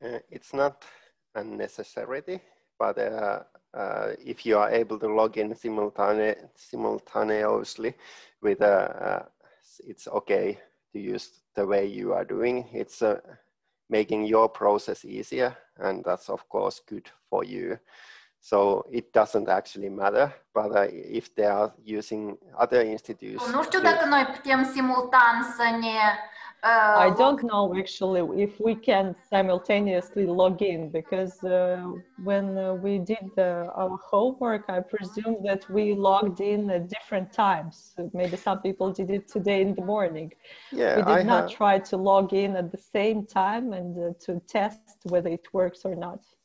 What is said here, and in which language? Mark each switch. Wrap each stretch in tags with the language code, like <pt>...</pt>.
<en>It's not a necessity, but if you are able to log in simultaneously with it's okay to use the way you are doing. It's making your process easier, and that's of course good for you. So it doesn't actually matter, but if they are using other institutions.</en> <ro>Nu știu dacă noi putem simultan să ne...</ro> <en>I don't know actually if we can simultaneously log in, because when we did our homework, I presume that we logged in at different times. Maybe some people did it today in the morning. Yeah, we did try to log in at the same time and to test whether it works or not.</en>